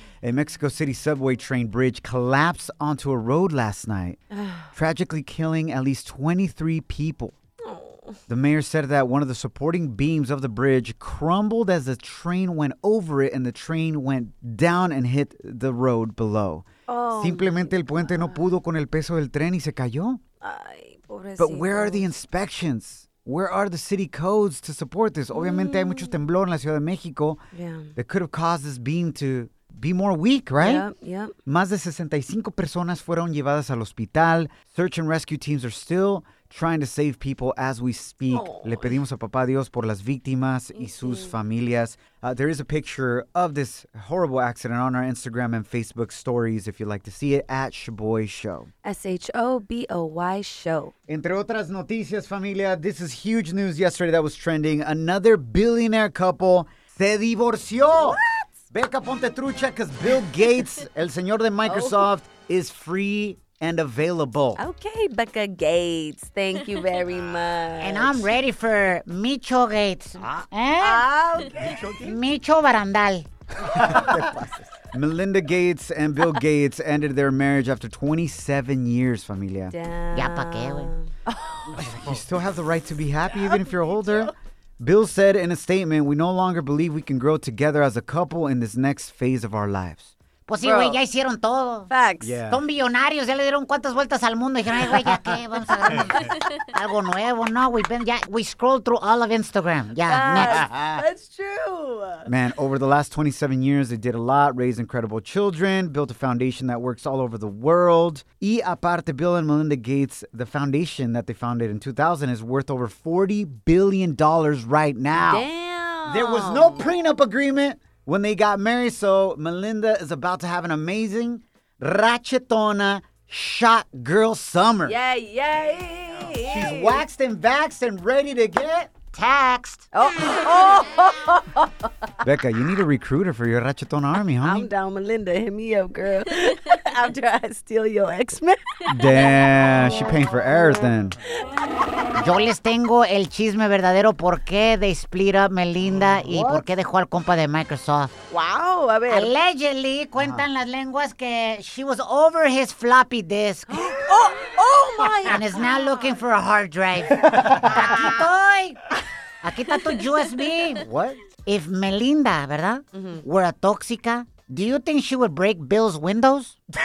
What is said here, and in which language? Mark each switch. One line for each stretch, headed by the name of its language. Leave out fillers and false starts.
English: A Mexico City subway train bridge collapsed onto a road last night, tragically killing at least 23 people. The mayor said that one of the supporting beams of the bridge crumbled as the train went over it and the train went down and hit the road below. Oh,
Spanish: simplemente el puente no pudo con el peso del tren y se cayó. Ay, pobrecito. Pobrecito.
English: But where are the inspections? Where are the city codes to support this?
Spanish: Obviamente hay mucho temblor en la Ciudad de México.
English: Yeah. That could have caused this beam to be more weak, right? Yep, yep.
Spanish: Más de 65 personas fueron llevadas al hospital.
English: Search and rescue teams are still trying to save people as we speak. Oh.
Spanish: Le pedimos a Papá Dios por las víctimas y sus familias.
English: There is a picture of this horrible accident on our Instagram and Facebook stories if you'd like to see it, at Shaboy Show. S-H-O-B-O-Y Show.
Spanish: Entre otras noticias, familia,
English: this is huge news yesterday that was trending. Another billionaire couple
Spanish: se divorció.
English: What? Becca
Spanish: Ponte Trucha,
English: because Bill Gates,
Spanish: el señor de Microsoft,
English: is free and available. Okay, Becca Gates. Thank you very much. And I'm ready for Micho Gates. Okay. Micho Barandal. Melinda Gates and Bill Gates ended their marriage after 27 years, familia. Damn.
Spanish: Ya pa' qué, güey.
English: You still have the right to be happy even if you're older. Bill said in a statement, "We no longer believe we can grow together as a couple in this next phase of our lives."
Spanish: Pues sí, güey, ya hicieron todo.
English: Facts. Yeah.
Spanish: Son billonarios, ya le dieron cuántas vueltas al mundo. Dijeron, ay, güey, ya qué, vamos a dar algo nuevo.
English: No, we scrolled through all of Instagram. Yeah, next. That's true. Man, over the last 27 years, they did a lot, raised incredible children, built a foundation that works all over the world.
Spanish: Y aparte,
English: Bill and Melinda Gates, the foundation that they founded in 2000 is worth over $40 billion right now. Damn. There was no prenup agreement when they got married, so Melinda is about to have an amazing ratchetona shot girl summer. Yay, yay! She's waxed and vaxed and ready to get taxed. Oh. Becca, you need a recruiter for your ratchetona army, huh? I'm down, Melinda. Hit me up, girl. After I steal your X-Men. Damn, she paying for errors then.
Spanish: Yo les tengo el chisme verdadero por qué
English: they split up
Spanish: Melinda y por qué dejó al compa de Microsoft. Wow, a ver.
English: Allegedly,
Spanish: cuentan las lenguas que
English: she was over his floppy disk. Oh my And is now looking for a hard drive.
Spanish: Aquí estoy. Aquí está tu USB.
English: What? If Melinda, ¿verdad? Mm-hmm. Were a tóxica, do you think she would break Bill's windows?